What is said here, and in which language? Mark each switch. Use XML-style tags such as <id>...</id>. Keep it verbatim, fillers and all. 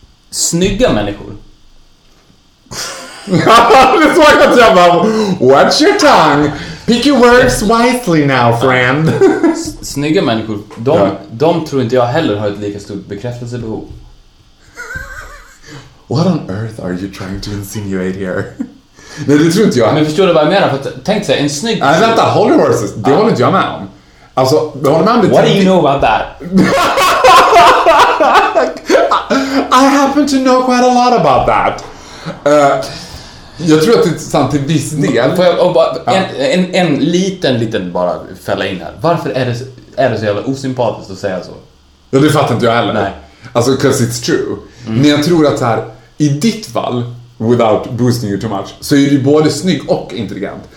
<sv>Snygga människor. Det såg jag att jag bara,</sv> <en>watch your tongue. Pick your words wisely now, friend.</en> <sv>Snygga människor, de, ja. de tror inte jag heller har ett lika stort bekräftelsebehov.</sv> <en>What on earth are you trying to insinuate here?</en> <sv>Nej, det tror inte jag. Men förstår du vad jag menar? För att, tänk sig, en snygg... Nej, vänta,</sv> <en>hold your horses.</en> <sv>Det ah. håller inte jag med om. Alltså, jag håller med om det.</sv> <en>What do you know about that? I happen to know quite a lot about that.</en> <sv>Uh, jag tror att det är sant till viss del. Får jag, bara, en, en, en liten, liten bara fälla in här. Varför är det, är det så jävla osympatiskt att säga så? Ja, det fattar inte jag heller. Nej. Alltså,</sv> <en>because it's true.</en> <sv>Mm. Men jag tror att så här, i ditt fall,</sv> <en>without boosting you too much,</en> <sv>så är du både snygg och intelligent.</sv>